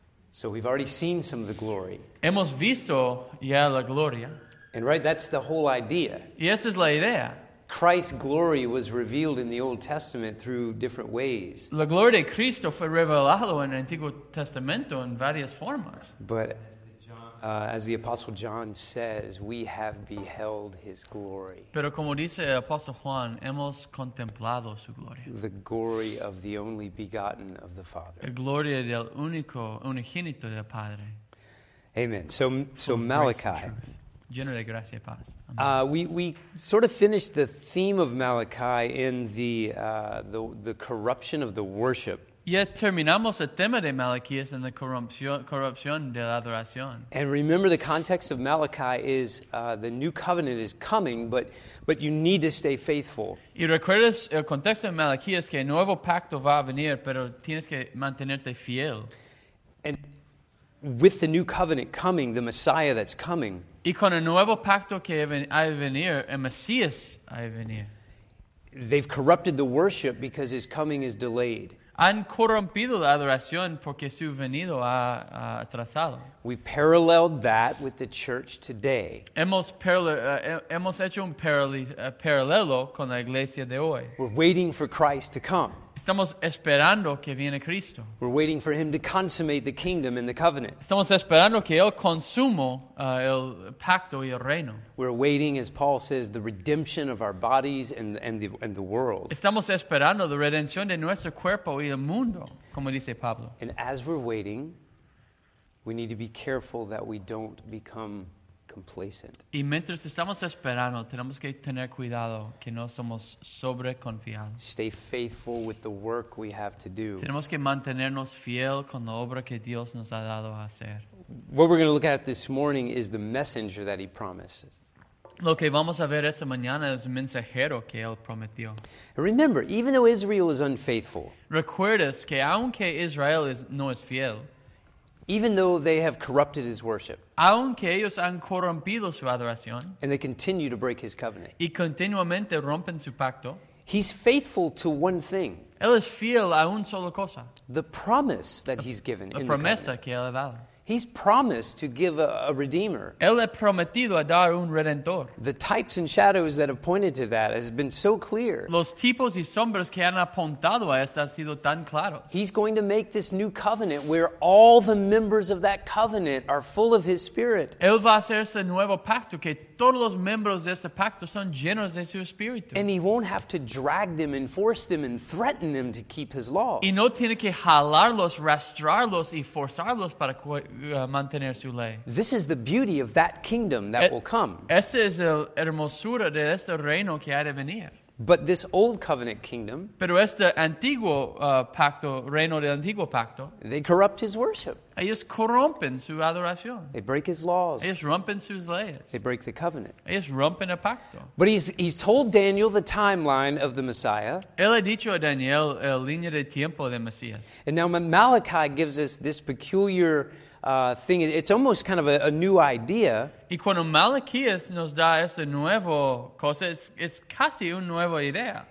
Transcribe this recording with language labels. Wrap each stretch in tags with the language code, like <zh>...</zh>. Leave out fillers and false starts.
<en>So we've already seen some of the glory.</en> <es>Hemos visto ya la gloria.</es> <en>And right, that's the whole idea.</en> <es>Y esa es la idea.</es> <en>Christ's glory was revealed in the Old Testament through different ways.</en> <es>La gloria de Cristo fue revelado en el Antiguo Testamento en varias formas.</es> <en>But as the Apostle John says, we have beheld his glory.</en> <es>Pero como dice el Apostle Juan, hemos contemplado su gloria.</es> <en>The glory of the only begotten of the Father.</en> <es>La gloria del único, unigénito del Padre.</es> <en>Amen. So Malachi.</en> <es>Lleno de gracia y paz.</es> <en>We sort of finished the theme of Malachi in the corruption of the worship.</en> <es>Ya terminamos el tema de Malaquías en la corrupción de la adoración.</es> <en>And remember, the context of Malachi is the new covenant is coming, but you need to stay faithful.</en> <es>Y recuerdas el contexto de Malaquías que el nuevo pacto va a venir, pero tienes que mantenerte fiel.</es> <en>And with the new covenant coming, the Messiah that's coming.</en> <es>Y con el nuevo pacto que va a venir, el Mesías va a venir.</es> <en>They've corrupted the worship because his coming is delayed.</en> <es>Han corrompido la adoración porque su venido ha atrasado.</es> <en>We paralleled that with the church today.</en> <es>Hemos hecho un paralelo con la iglesia de hoy.</es> <en>We're waiting for Christ to come.</en> <es>Estamos esperando que viene Cristo.</es> <en>We're waiting for him to consummate the kingdom and the covenant.</en> <es>Estamos esperando que él consuma el pacto y el reino.</es> <en>We're waiting, as Paul says, the redemption of our bodies and the world.</en> <es>Estamos esperando la redención de nuestro cuerpo y el mundo, como dice Pablo.</es> <en>And as we're waiting, we need to be careful that we don't become complacent.</en> <es>Y mientras estamos esperando, tenemos que tener cuidado que no somos sobreconfiados.</es> <en>Stay faithful with the work we have to do.</en> <es>Tenemos que mantenernos fiel con la obra que Dios nos ha dado a hacer.</es> <en>What we're going to look at this morning is the messenger that he promises.</en> <es>Lo que vamos a ver esta mañana es el mensajero que él prometió.</es> <en>Remember, even though Israel is unfaithful,</en> <es>recuerdas que aunque Israel no es fiel,</es> <en>even though they have corrupted his worship,</en> <es>aunque ellos han corrompido su adoración,</es> <en>and they continue to break his covenant,</en> <es>y continuamente rompen su pacto,</es> <en>He's faithful to one thing.</en> <es>Él es fiel a un solo cosa.</es> <en>The promise that he's given.</en> <es>La promesa que él ha dado.</es> <en>He's promised to give a redeemer.</en> <es>Él ha prometido a dar un redentor.</es> <en>The types and shadows that have pointed to that has been so clear.</en> <es>Los tipos y sombras que han apuntado a esto han sido tan claros.</es> <en>He's going to make this new covenant where all the members of that covenant are full of his spirit.</en> <es>Él va a hacer ese nuevo pacto que todos los miembros de ese pacto son llenos de su espíritu.</es> <en>And he won't have to drag them and force them and threaten them to keep his laws.</en> <es>Y no tiene que jalarlos, rastrarlos y forzarlos para mantener su ley.</es> <en>This is the beauty of that kingdom that will come.</en> <es>Esta es la hermosura de este reino que ha de venir.</es> <en>But this old covenant kingdom,</en> <es>pero este antiguo pacto, reino del antiguo pacto,</es> <en>they corrupt his worship.</en> <es>Ellos corrompen su adoración.</es> <en>They break his laws.</en> <es>Ellos rompen sus leyes.</es> <en>They break the covenant.</en> <es>Ellos rompen el pacto.</es> <en>But he's told Daniel the timeline of the Messiah.</en> <es>Él ha dicho a Daniel la línea de tiempo del Mesías.</es> <en>And now Malachi gives us this peculiar thing. It's almost kind of a new idea.</en> <es>Y cuando Malaquías nos da esa nueva cosa, es casi una nueva idea.</es>